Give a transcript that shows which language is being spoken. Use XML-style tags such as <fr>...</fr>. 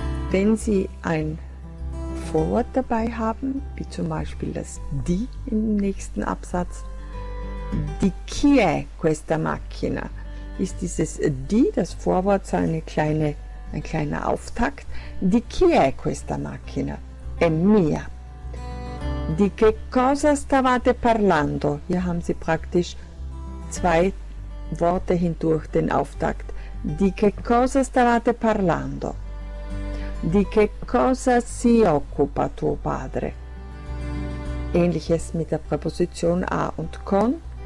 <de>Wenn Sie ein Vorwort dabei haben, wie zum Beispiel das die im nächsten Absatz,</de> <it>di chi è questa macchina?</it> <de>Ist dieses die, das Vorwort, so ein kleiner Auftakt?</de> <it>Di chi è questa macchina? È mia. Di che cosa stavate parlando?</it> <de>Hier haben Sie praktisch zwei Worte hindurch den Auftakt.</de> <it>Di che cosa stavate parlando? Di che cosa si occupa tuo padre?</it> <de>Ähnliches mit der Präposition a und con.</de>